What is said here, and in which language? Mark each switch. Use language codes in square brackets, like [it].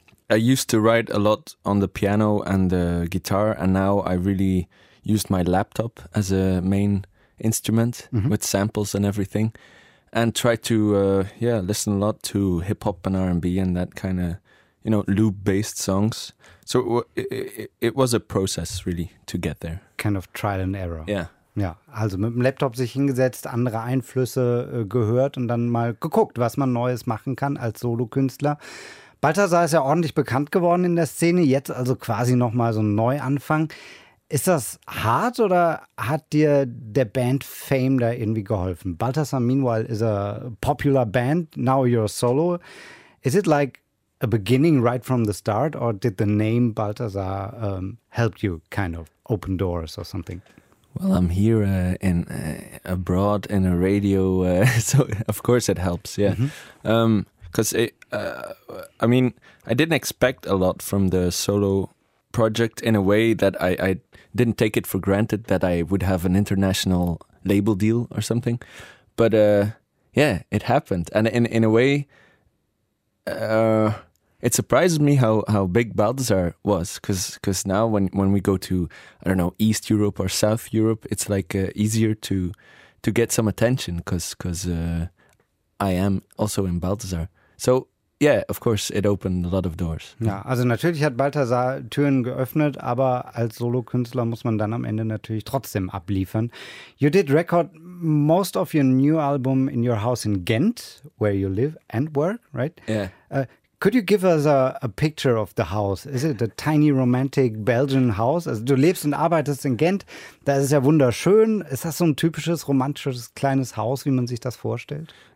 [en] I used to write a lot on the piano and the guitar, and now I really used my laptop as a main instrument with samples and everything, and try to listen a lot to hip hop and R&B and that kind of loop based songs. So it was a process really to get there. Kind of trial and error. Yeah. [de] Ja, also mit dem Laptop sich hingesetzt, andere Einflüsse gehört und dann mal geguckt, was man Neues machen kann als Solokünstler. Balthasar ist ja ordentlich bekannt geworden in der Szene, jetzt also quasi nochmal so ein Neuanfang. Ist das hart oder hat dir der Band Fame da irgendwie geholfen? [en] Balthasar, meanwhile, is a popular band, now you're solo. Is it like a beginning right from the start or did the name Balthasar help you kind of open doors or something? Well, I'm here abroad in a radio, so of course it helps, yeah. Because I didn't expect a lot from the solo project in a way that I didn't take it for granted that I would have an international label deal or something. But it happened. And in a way, it surprises me how big Balthasar was. Because now when we go to, I don't know, East Europe or South Europe, it's like easier to get some attention because I am also in Balthasar. So, yeah, of course, it opened a lot of doors. [de] Ja, also natürlich hat Balthasar Türen geöffnet, aber als Solokünstler muss man dann am Ende natürlich trotzdem abliefern. [en] You did record most of your new album in your house in Ghent, where you live and work, right? Yeah. Could you give us a picture of the house? Is it a tiny romantic Belgian house? [de] Also du lebst und arbeitest in Ghent, da ist es ja wunderschön. Ist das so ein typisches romantisches kleines Haus, wie man sich das vorstellt?